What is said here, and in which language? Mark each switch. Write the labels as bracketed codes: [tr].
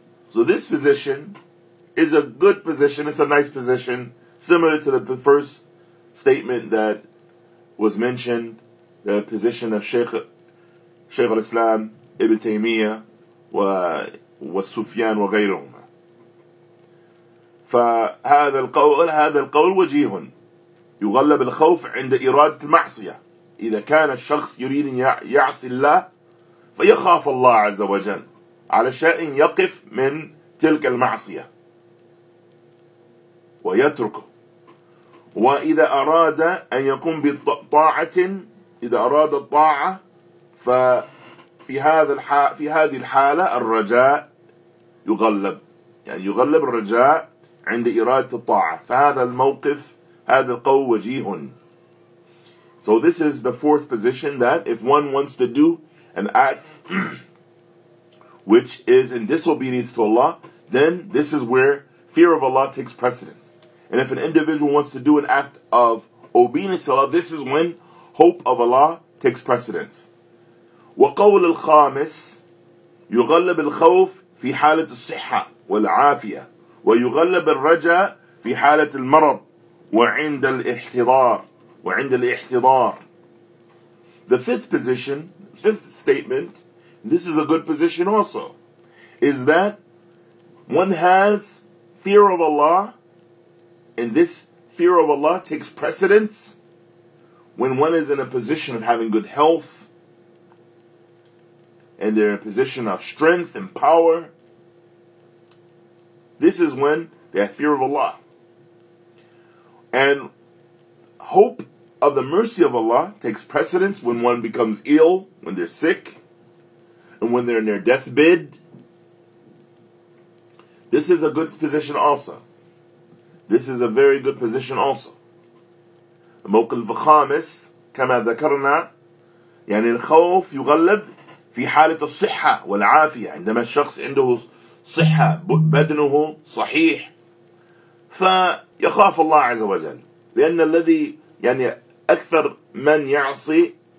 [en] So this position is a good position, it's a nice position, similar to the first statement that was mentioned, the position of Shaykh al-Islam, Ibn Taymiyyah, wa Sufyan wa ghayruhum. [ar] فهذا القول هذا القول وجيه يغلب الخوف عند إرادة المعصية. إذا كان الشخص يريد يعصي الله فيخاف الله عز وجل على شأن يقف من تلك المعصية ويتركه. وإذا أراد أن يقوم بطاعة إذا أراد الطاعة ففي هذا في هذه الحالة الرجاء يغلب, يعني يغلب الرجاء عند إرادة الطاعة. فهذا الموقف هذا القول وجيه. [en] So this is the fourth position, that if one wants to do an act which is in disobedience to Allah, then this is where fear of Allah takes precedence. And if an individual wants to do an act of obedience to Allah, this is when hope of Allah takes precedence. [ar] وقول الخامس يغلب الخوف في حالة الصحة والعافية ويغلب الرجاء في حالة المرض وعند الاحتضار. وعند الاحتضار. [en] The fifth position, fifth statement, this is a good position also, is that one has fear of Allah, and this fear of Allah takes precedence when one is in a position of having good health, and they're in a position of strength and power. This is when they have fear of Allah. And hope of the mercy of Allah takes precedence when one becomes ill, when they're sick, and when they're in their deathbed. This is a good position also. This is a very good position also. [ar] موقف الخامس كما ذكرنا يعني الخوف يغلب في حالة الصحة والعافية عندما الشخص عنده صحة بدنه صحيح فيخاف الله عز وجل لأن الذي يعني أكثر من يعصي